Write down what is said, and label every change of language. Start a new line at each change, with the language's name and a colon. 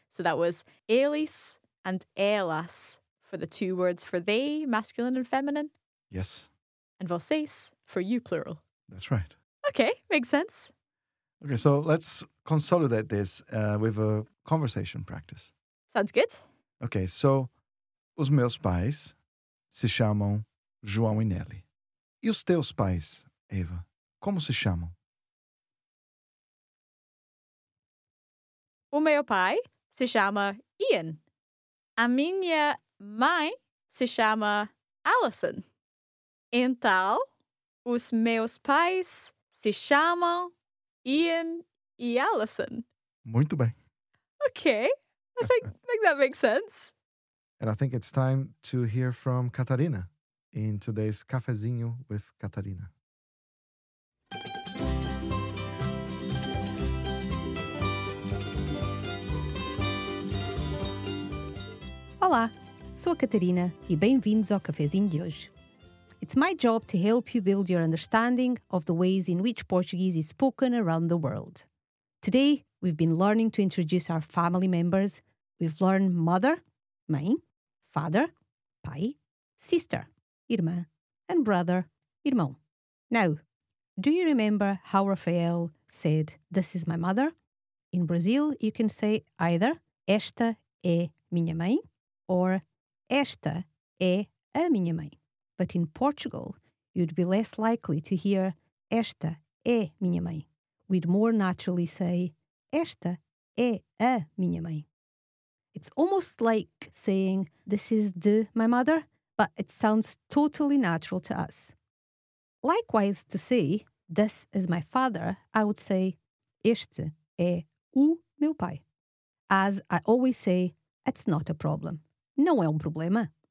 English: So that was Elis and Elas for the two words for they, masculine and feminine. Yes. And vocês for you, plural. That's right. Okay, makes sense. Okay, so let's consolidate this with a conversation practice. Sounds good.
Portuguese: Okay, so os meus pais se chamam João e Nelly. E os teus pais, Eva, como se chamam? O meu pai se chama Ian. A minha mãe se chama Alison. Então, os meus pais se chamam Ian e Alison. Muito bem.
English: Okay. I think that makes sense. And I think it's time to hear from Catarina in today's Cafezinho with Catarina.
Portuguese: Olá, sou a Catarina e bem-vindos ao Cafezinho de hoje.
English: It's my job to help you build your understanding of the ways in which Portuguese is spoken around the world. Today, we've been learning to introduce our family members. We've learned mother, mãe, father, pai, sister, irmã, and brother, irmão. Now, do you remember how Rafael said, "This is my mother"? In Brazil, you can say either
Portuguese: "Esta é minha mãe"
English: or
Portuguese: "Esta é a minha mãe".
English: But in Portugal, you'd be less likely to hear
Portuguese: "Esta é minha mãe".
English: We'd more naturally say
Portuguese: "Esta é a minha mãe".
English: It's almost like saying "This is the my mother", but it sounds totally natural to us. Likewise, to say "This is my father", I would say
Portuguese: "Este é o meu pai".
English: As I always say, it's not a problem.
Portuguese: Não é problema.